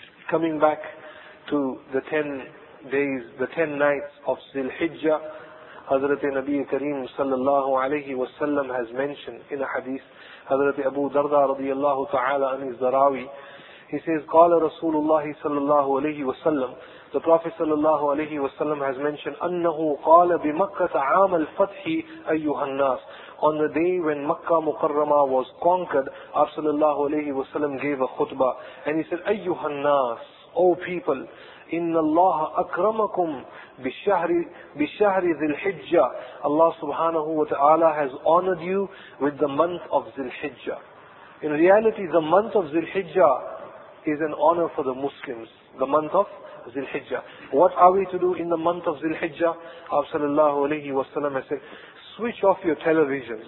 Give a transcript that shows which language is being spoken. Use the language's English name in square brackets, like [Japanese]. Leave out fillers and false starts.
[English] Coming back to the 10 days, the 10 nights of Zilhijjah, Hazrat Nabi Kareem sallallahu alayhi wa sallam has mentioned in a hadith, Hazrat Abu Darda radiyallahu ta'ala an-Izdarawi, he says, Qala Rasulullah sallallahu alayhi wa sallam, The Prophet sallallahu alayhi wa sallam has mentioned, [Arabic] أَنَّهُ قَالَ بِمَكَّةَ عَامَ الْفَتْحِ أَيُّهَا النَّاسِ. [English] On the day when Makkah Mukarramah was conquered, our sallallahu alayhi wa sallam gave a khutbah. And he said, [Arabic] أَيُّهَا النَّاسِ, [English] O people, [Arabic] إِنَّ اللَّهَ أَكْرَمَكُمْ بِالشَّهْرِ ذِي الْحِجَّةِ. [English] Allah subhanahu wa ta'ala has honored you with the month of Zilhijjah. In reality, the month of Zilhijjah is an honor for the Muslims. The month of Zilhijjah. What are we to do in the month of Zilhijjah? Our sallallahu alayhi wa sallam has said, switch off your televisions.